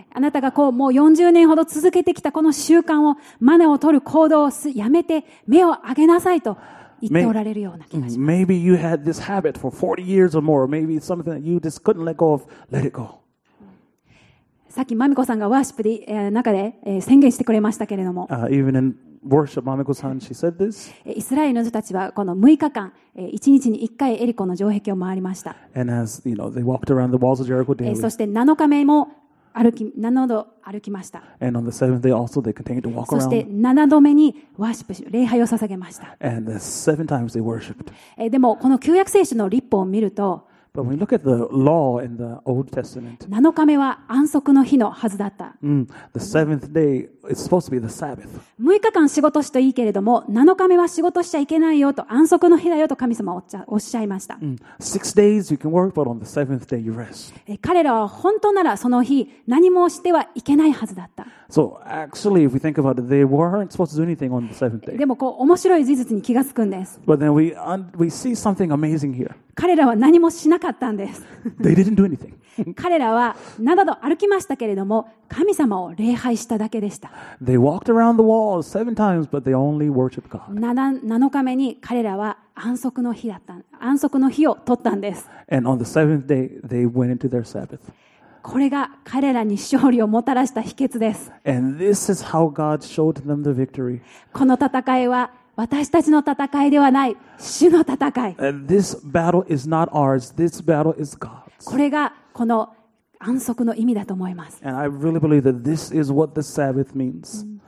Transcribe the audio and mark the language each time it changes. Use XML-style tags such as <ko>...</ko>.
<ja>あなたがこうもう40年ほど続けてきたこの習慣をマナーを取る行動をやめて目を上げなさいと。言っておられるような気がします。</ja> <en>Maybe you had this habit for 40 years or more. Maybe it's something that you just couldn't let go of. Let it go.</en> <ja>さっきマミコさんがワーシップで中で宣言してくれましたけれども。</ja> <en>Even in worship, Mamiko-san, she said this.</en> <ja>イスラエルの人たちはこの6日間、1日に1回エリコの城壁を回りました。</ja> <en>And as you know, they walked around the walls of Jericho daily.</en> <ja>そして7日目も7度歩きました。</ja> <en>And on the seventh day also they continued to walk around.</en> <ja>そして7度目にワーシップ、礼拝を捧げました。</ja> <en>And the seven times they worshipped.</en> <ja>でもこの旧約聖書の律法を見ると、</ja> <en>But when we look at the law in the Old Testament,</en> <ja>7日目は安息の日のはずだった。</ja> <en>The seventh day is supposed to be the Sabbath.</en> <ja>6日間仕事していいけれども、7日目は仕事しちゃいけないよと安息の日だよと神様おっしゃいました。</ja> <en>Six days you can work, but on the seventh day you rest.</en> <ja>彼らは本当ならその日何もしてはいけないはずだった。</ja> <en>So actually, if we think about it, they weren't supposed to do anything on the seventh day.</en> <ja>でもこう面白い事実に気がつくんです。</ja> <en>But then we see something amazing here.</en> <ja>彼らは何もしなかったんです。</ja> <en>They didn't do anything.</en> <ja>彼らは何度歩きましたけれども、神様を礼拝しただけでした。</ja> <en>They walked around the wall seven times, but they only worshiped God.</en> <ja>7日目に彼らは安息の日を取ったんです。</ja> <en>And on the seventh day, they went into their Sabbath.</en> <ja>これが彼らに勝利をもたらした秘訣です。</ja> <en>And this is how God showed them the victory.</en> <ja>この戦いは私たちの戦いではない主の戦い。</ja> <en>And this battle is not ours. This battle is God's.</en> <ja>これがこの安息の意味だと思います。</ja> <en>And I really believe that this is what the Sabbath means.</en>